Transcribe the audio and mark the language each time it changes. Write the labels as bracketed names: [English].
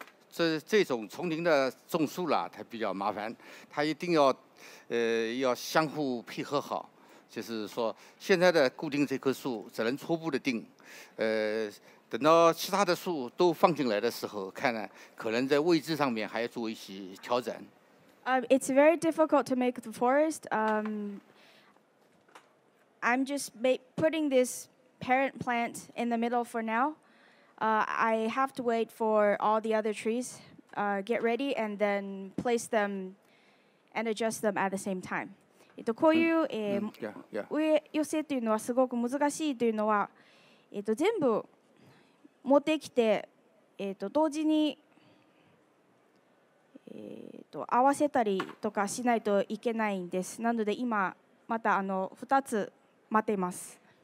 [Chinese] 这种丛林的种树呢，它比较麻烦，它一定要，要相互配合好。就是说，现在的固定这棵树只能初步的定，等到其他的树都放进来的时候，看呢，可能在位置上面还要做一些调整。 [English] It's very difficult to make the forest. I'm just putting this parent plant in the middle for now. I have to wait for all the other trees get ready and then place them and adjust them at the same time. [Japanese] こういう植え寄せというのはすごく難しいというのは、全部持ってきて、同時に、合わせたりとかしないといけないんです。なので今また2つ待っています。